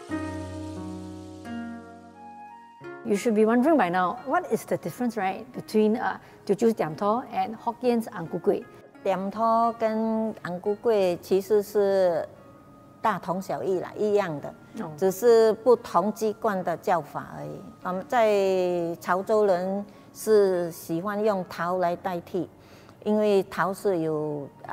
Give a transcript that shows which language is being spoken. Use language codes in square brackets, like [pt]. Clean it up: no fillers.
[zh] 就是希望你能够成功咯，不要被人家看扁而已。不会啦，有最好的你叫我，哪里会？要有心学啊。嗯，再学啦，再学啦。我想一看。You [en] should be wondering by now, what is the difference, right, between Teochew Tiam Tho and Hokkien's Ang Ku Kueh? [zh] 点桃跟安古桂其实是大同小异啦，一样的，只是不同籍贯的叫法而已。我们在潮州人是喜欢用桃来代替，因为桃是有